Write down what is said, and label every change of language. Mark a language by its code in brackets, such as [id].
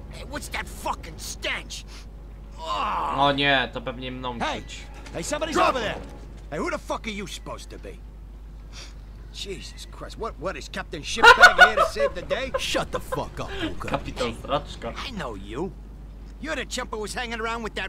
[en] What's that fucking stench? [pl] Oh, o nie, to pewnie mną czuć. [en] Hey, somebody's over there. Hey, who the fuck are you supposed to be? Jesus Christ, what is Captain Shitbag here to save the day? Shut the fuck up, Luca. [pl] Kapitan Straczka. [en] I know you. You're the chump who was hanging around with that